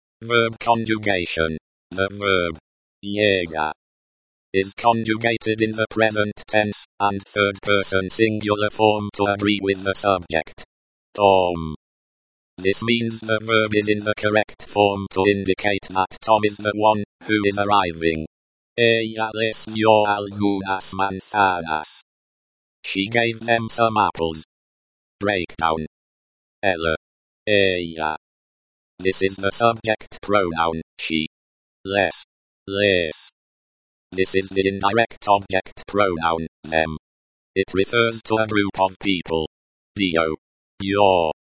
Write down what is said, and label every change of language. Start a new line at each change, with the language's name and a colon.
English: Verb conjugation. The verb llega is conjugated in the present tense and third person singular form to agree with the subject. Tom. This means the verb is in the correct form to indicate that Tom is the one who is arriving.
Spanish: Ella les dio algunas manzanas.
English: She gave them some apples. Breakdown. Ella. Ella. This is the subject pronoun, she. Les. Les. This is the indirect object pronoun, them. It refers to a group of people. Dio. Your.